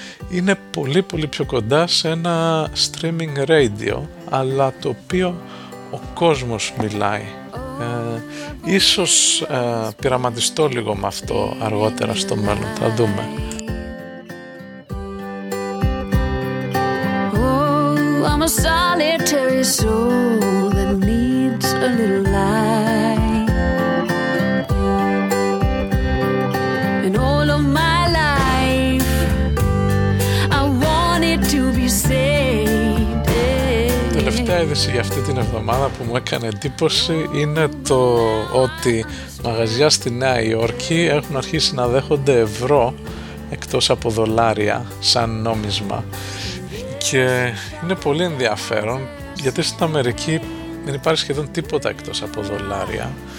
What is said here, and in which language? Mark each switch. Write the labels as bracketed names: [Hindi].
[Greek] Είναι πολύ πολύ πιο κοντά σε ένα streaming radio, αλλά το οποίο ο κόσμος μιλάει. Ίσως πειραματιστώ λίγο με αυτό αργότερα στο μέλλον, θα δούμε. [English] Oh, I'm a solitary soul that needs a little light. And all of my life I wanted to be saved. [Greek] Τελευταία είδηση για αυτή την εβδομάδα που μου έκανε εντύπωση είναι το ότι μαγαζιά στη Νέα Υόρκη έχουν αρχίσει να δέχονται ευρώ εκτός από δολάρια σαν νόμισμα. Και είναι πολύ ενδιαφέρον, γιατί στην Αμερική δεν υπάρχει σχεδόν τίποτα εκτός από δολάρια.